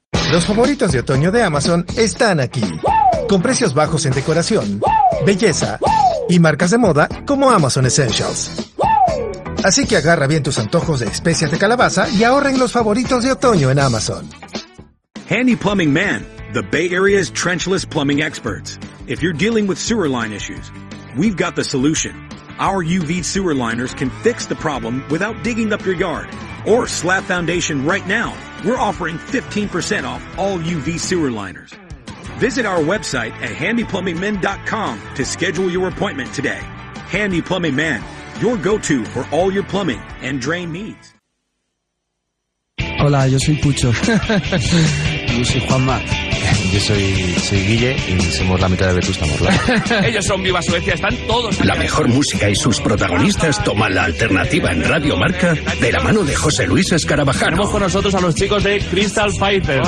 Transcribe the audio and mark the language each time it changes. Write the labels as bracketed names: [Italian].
[Spanish] Los favoritos de otoño de Amazon están aquí. Con precios bajos en decoración, belleza y marcas de moda como Amazon Essentials. Así que agarra bien tus antojos de especias de calabaza y ahorren los favoritos de otoño en Amazon. [English] Handy Plumbing Man, the Bay Area's trenchless plumbing experts. If you're dealing with sewer line issues, we've got the solution. Our UV sewer liners can fix the problem without digging up your yard or slab foundation right now. We're offering 15% off all UV sewer liners. Visit our website at handyplumbingmen.com to schedule your appointment today. Handy Plumbing Man, your go-to for all your plumbing and drain needs. [Spanish] Hola, yo soy Pucho. Yo soy Juanma. Yo soy Guille y somos la mitad de Vetusta Morla. Ellos son Viva Suecia, están todos... La mejor música y sus protagonistas toman la alternativa en Radio Marca de la mano de José Luis Escarabajano. Tenemos con nosotros a los chicos de Crystal Fighters.